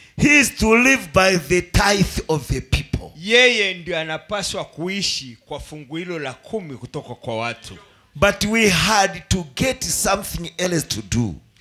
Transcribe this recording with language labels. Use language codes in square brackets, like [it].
[en] He is to live by the tithe of the people. [sw] Yeye ndio anapaswa kuishi kwa fungu hilo la 10 kutoka kwa watu. [en] But we had to get something else to do.